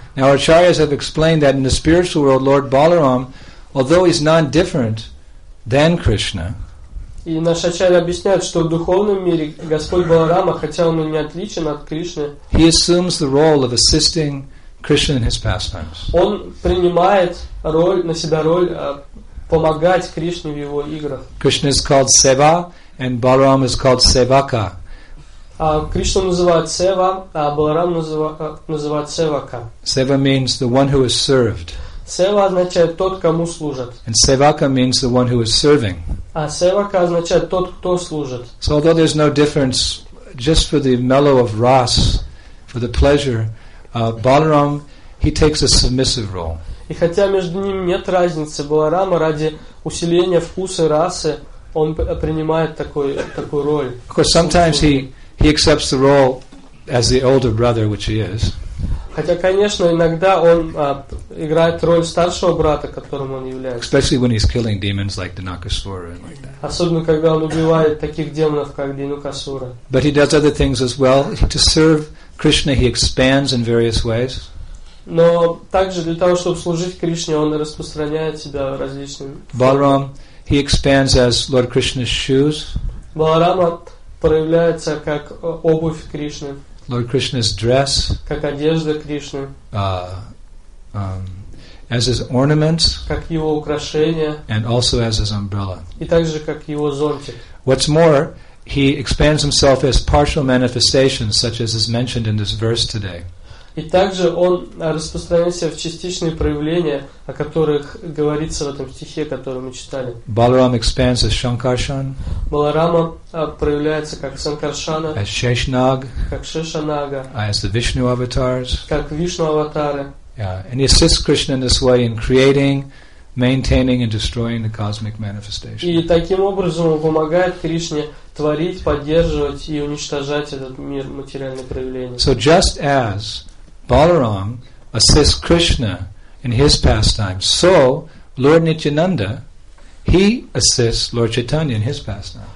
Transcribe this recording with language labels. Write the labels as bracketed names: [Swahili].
[English] Now Acharyas have explained that in the spiritual world, Lord Balaram, although he's not different than Krishna. [Russian] И наши ачарьи объясняют, что в духовном мире Господь Баларама, хотя он и не отличен от Кришны, [English] he assumes the role of assisting Krishna in his pastimes. [Russian] Он принимает на себя роль помогать Кришне в его играх. [English] Krishna is called Seva, and Balaram is called Sevaka. [Russian] Кришна называют Сева, а Баларам называют Севака. [English] Seva means the one who is served. [Russian] Сева означает тот, кому служат. [English] And Sevaka means the one who is serving. [Russian] А Севака означает тот, кто служит. [English] So although there's no difference, just for the mellow of ras, for the pleasure, Balaram, he takes a submissive role. [Russian] И хотя между ними нет разницы, Баларама ради усиления вкуса расы, он принимает такую роль. [English] Because sometimes he accepts the role as the older brother, which he is. [Russian] Хотя, конечно, иногда он играет роль старшего брата, которым он является. [English] Especially when he's killing demons like Dinakasura and like that. [Russian] Особенно когда он убивает таких демонов, как Динукасура. [English] But he does other things as well. To serve Krishna, he expands in various ways. [Russian] Но также для того, чтобы служить Кришне, он распространяет себя различным. [English] Balaram, he expands as Lord Krishna's shoes. [Russian] Баларама проявляется как обувь Кришны. [English] Lord Krishna's dress. [Russian] Как одежда Кришны. [English] As his ornaments. [Russian] Как его украшения. [English] And also as his umbrella. [Russian] И также как его зонтик. [English] What's more, he expands himself as partial manifestations, such as is mentioned in this verse today. [Russian] И также он распространяется в частичные проявления, о которых говорится в этом стихе, который мы читали. [English] Balaram expands as Shankarshan. [Russian] Баларама проявляется как Санкаршана. [English] As Sheshnag. [Russian] Как Шешанага. [English] As the Vishnu avatars. [Russian] Как Вишну аватары. [English] Yeah, and he assists Krishna in this way in creating, maintaining, and destroying the cosmic manifestation. [Russian] И таким образом он помогает Кришне творить, поддерживать и уничтожать этот мир материальных проявлений. [English] So just as Balaram assists Krishna in his pastimes, so Lord Nityananda, he assists Lord Chaitanya in his pastimes.